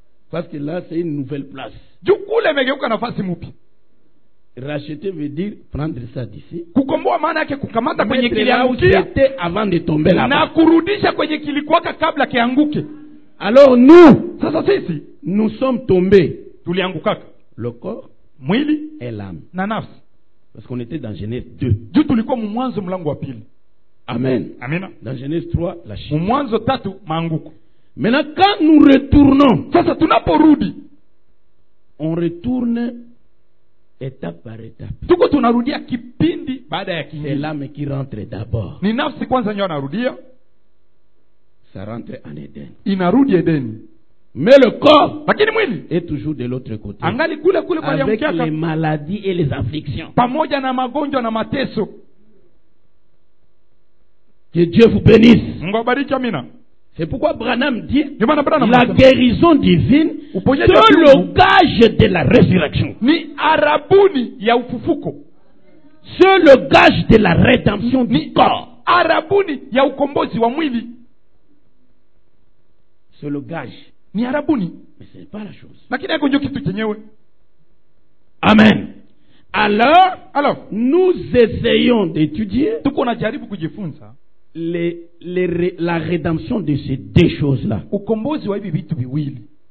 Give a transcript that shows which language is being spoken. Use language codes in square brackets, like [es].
[fr] Parce que là c'est une nouvelle place. [sw] Jukule megeuka nafasi mupi. [fr] Racheté veut dire prendre ça d'ici. [sw] Kukomboa maana yake kukamata kwenye kiliangukia. [fr] Mettre là avant de tomber là-bas. [sw] Na kurudisha kwenye kilikuwaka kabla kianguke. [fr] Alors nous. [sw] Sasa sisi. [fr] Nous sommes tombés. [sw] Tuli angukaka. [fr] Le corps, [sw] mwili, [fr] et l'âme. [sw] Na nafsi. [fr] Parce qu'on était dans Genèse 2. [sw] Dieu tulikuwa mwanzo mlango wa pili. [en] Amen. [sw] Amina. [fr] Dans Genèse 3, la chute. [sw] Mwanzo 3 maanguko. [fr] Maintenant quand nous retournons, [sw] sasa tunaporudi. [fr] On retourne étape par étape. [sw] Tuko tunarudia kipindi baada ya kingine. [fr] C'est l'âme qui rentre d'abord. [sw] Ni nafsi kwanza ndio narudia. [fr] Ça rentre en Eden. [sw] Inarudi Eden. [fr] Mais le corps [sw] lakini mwili [fr] est toujours de l'autre côté. [sw] Angali kule kule kwa yamkiaka. [fr] Avec les maladies et les afflictions. [sw] Pamoja na magonjwa na mateso. [fr] Que Dieu vous bénisse. [sw] Mungu abariki amina. [fr] C'est pourquoi Branham dit Branham la guérison divine est le gage de la résurrection. [sw] Ni arabuni ya ufufuko. [fr] sur le gage de la rédemption du corps. [sw] Arabuni ya ukombozi wa mwili. [fr] Sur le gage. [sw] Ni arabuni. [fr] Mais ce n'est pas la chose. [sw] Lakini hako ndio kitu chenyewe. [fr] Amen. Alors, alors, nous essayons d'étudier [sw] tuko na jaribu kujifunza [fr] la rédemption de ces deux choses-là. [sw] Ukombozi wa hivi vitu viwili.